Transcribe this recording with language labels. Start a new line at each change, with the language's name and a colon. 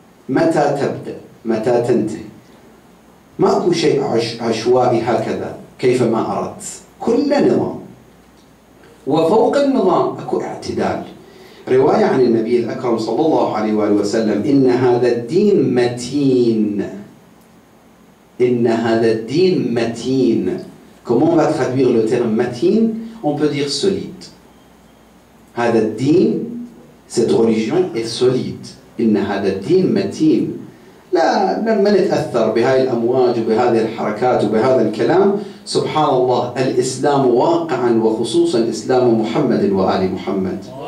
Arabic: متى تبدأ؟ متى تنتهي؟ ماكو شيء عشوائي هكذا كيفما أردت، كل نظام. وفوق النظام أكو اعتدال. رواية عن النبي الأكرم صلى الله عليه وآله وسلم: إن هذا الدين متين، إن هذا الدين متين.
French: comment on va traduire le terme متين؟ on peut dire solide.
Arabic: هذا الدين،
French: cette religion est solide.
Arabic: إن هذا الدين متين. لا، لما نتأثر بهاي الأمواج وبهذه الحركات وبهذا الكلام، سبحان الله، الإسلام واقعا وخصوصا إسلام محمد وآل محمد.